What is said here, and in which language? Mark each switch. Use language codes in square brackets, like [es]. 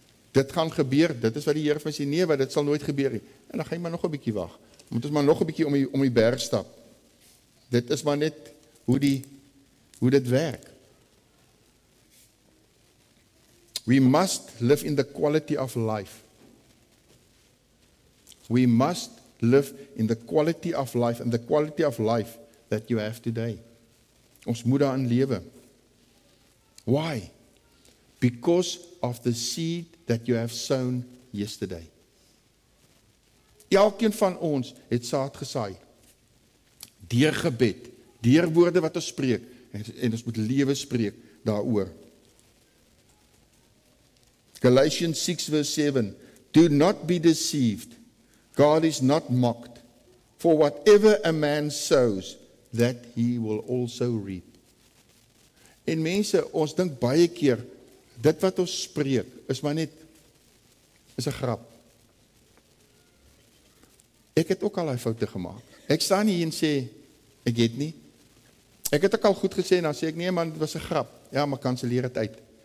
[af] dit gaan gebeur, dit is wat die Heer van sê, nee wat, dit sal nooit gebeur nie, en dan ga jy maar nog 'n bietjie wag, moet ons maar nog 'n bietjie om die berg stap, dit is maar net hoe dit werk, [en] we must live in the quality of life, we must live in the quality of life, in the quality of life that you have today, [af] ons moet daarin lewe. [en] Why? Because of the seed that you have sown yesterday. [af] Elkeen van ons het saad gesaai. Deur gebed, deur woorde wat ons spreek, en ons moet lewe spreek daaroor. [en] Galatians 6 verse 7, do not be deceived. God is not mocked. For whatever a man sows, that he will also reap. [af] En mense, ons dink baie keer, dit wat ons spreek, is maar net, is een grap. Ek het ook al die foute gemaakt. Ek sta nie hier en sê, ek het nie. Ek het ook al goed gesê, en dan sê ek, nee man, dit was een grap. Ja, maar kanselleer het uit.